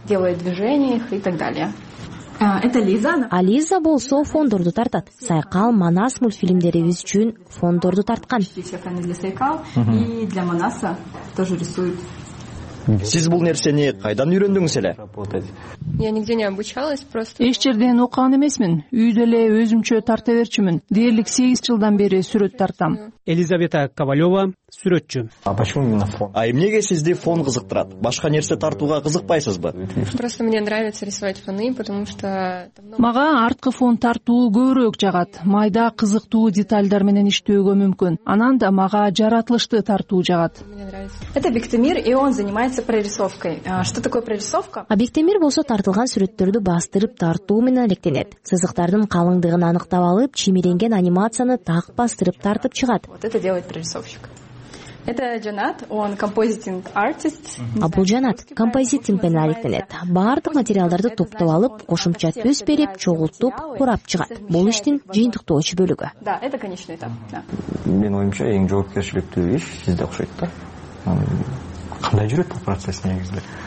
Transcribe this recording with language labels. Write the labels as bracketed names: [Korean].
[Russian] Делает движения их и так далее. Это Лиза. [Kyrgyz] А Лиза болсо фондорду тартат. Сайкал Манас мультфильмдерибиз үчүн фондорду тарткан. [Russian] И для Манаса тоже рисует. [Kyrgyz] Сиз бул нерсени кайдан үйрөндүңүз эле? [Russian] Я нигде не обучалась, просто. [Kyrgyz] Эч жерден окуган эмесмин. Үйдө эле өзүмчө тарта берчүмүн. Дээрлик 8 жылдан бери сүрөт тартам. Елизавета Ковалева, сүрөтчү. [Russian] А почему именно фон? [Kyrgyz] А эмнеге сизди фон кызыктырат? Башка нерсе тартууга кызыкпайсызбы? [Russian] Просто мне нравится рисовать фоны, потому что [Kyrgyz] мага арткы фон тартуу көбүрөөк жагат. Майда кызыктуу детальдар менен иштөөгө мүмкүн. Анан да мага жаратылышты тартуу жагат. [Russian] Это Бектемир, и он занимается прорисовкой. Что такое прорисовка? [Kyrgyz] А Бектемир болсо тартылган сүрөттөрдү бастырып тартуу менен алектенет. Сызыктардын калыңдыгын аныктап алып, чимиренген анимацияны так бастырып тартып чыгат. [Russian] Вот это делает прорисовщик. Это Джанат, он композитинг артист. [Kyrgyz] А бул Джанат композитинг менен алектенет. Бардык материалдарды топтоп алып, кошумча түс берип, чогултуп, курап чыгат. Бул иштин жыйынтыктоочу бөлүгү. [Russian] Да, это конечный этап. [Kyrgyz] Менин оюмча эң жоопкерчиликтүү иш сизде окшойт да. Кандай жүрөт бул процесс негизинде?